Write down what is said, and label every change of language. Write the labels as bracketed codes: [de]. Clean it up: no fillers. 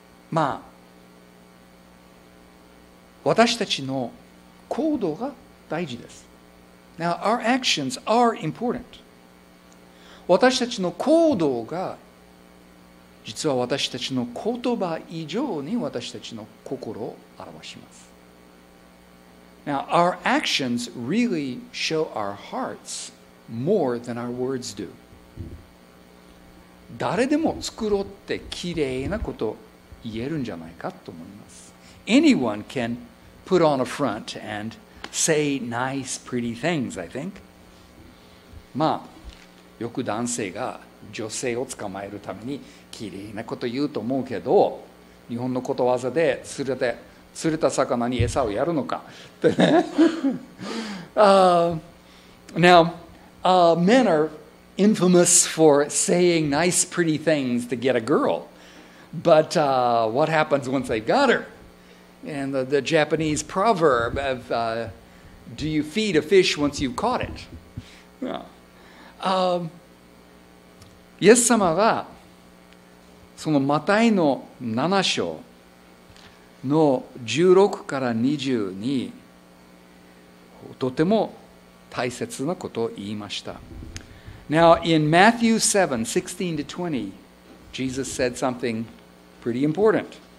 [ja] まあ私たちの行動が大事です。 [en] Now, our actions are important. [ja] 私たちの行動が実は私たちの言葉以上に私たちの心を表します。 [en] Now, our actions really show our hearts more than our words do. [ja] 誰でも作ろうってきれいなこと言えるんじゃないかと思います。 [en] Anyone can put on a front and say nice, pretty things, I think. [ja] まあ、よく男性が女性を捕まえるためにきれいなこと言うと思うけど、日本のことわざで釣れた魚に餌をやるのかってね。 [en] Men are infamous for saying nice, pretty things to get a girl. But what happens once they've got her? And the Japanese proverb of do you feed a fish once you've caught it? [ja] イエス様がそのマタイの7章の16から22とても大切なことを言いました。 [en] Now, in Matthew 7, 16 to 20, Jesus said something pretty important.